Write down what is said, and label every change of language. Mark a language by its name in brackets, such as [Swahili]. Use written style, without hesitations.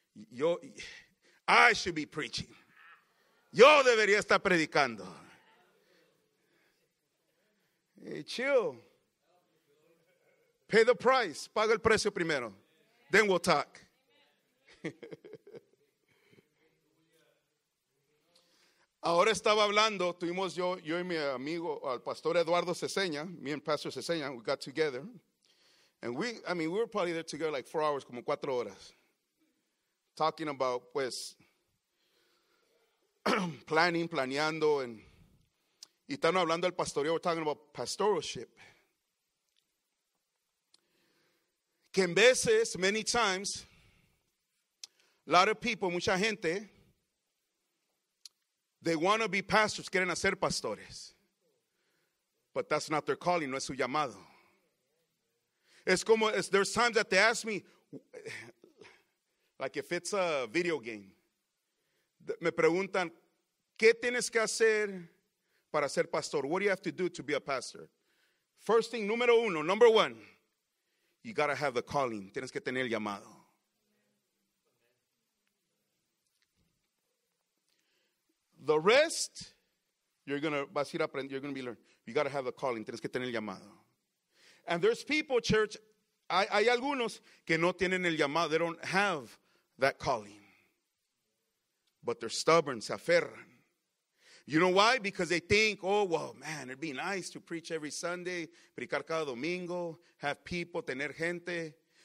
[English] Yo, I should be preaching. [Spanish] Yo debería estar predicando. [English] Hey, chill. Pay the price. [Spanish] Paga el precio primero. [English] Then we'll talk. [Spanish] Ahora estaba hablando, tuvimos yo y mi amigo, al pastor Eduardo Ceseña, [English] me and Pastor Ceseña, we got together. And we were probably there together like 4 hours, [Spanish] como 4 horas. [English] Talking about, [Spanish] pues, planeando. Y están hablando del pastoreo, [English] we're talking about pastoralship. [Spanish] Que en veces, [English] many times, a lot of people, [Spanish] mucha gente, [English] they want to be pastors, [Spanish] quieren hacer pastores. [English] But that's not their calling, [Spanish] no es su llamado. Es como, [English] there's times that they ask me, like if it's a video game. [Spanish] Me preguntan, ¿qué tienes que hacer para ser pastor? [English] What do you have to do to be a pastor? First thing, number one, you got to have the calling. [Spanish] Tienes que tener el llamado. [English] The rest, you're going to be learned. You got to have the calling. [Spanish] Tienes que tener el llamado. [English] And there's people, church, [Spanish] hay algunos que no tienen el llamado. [English] They don't have that calling. But they're stubborn, [Spanish] se aferran. [English] You know why? Because they think, oh, well, man, it'd be nice to preach every Sunday, [Spanish] predicar cada domingo, [English] have people, [Spanish] tener gente.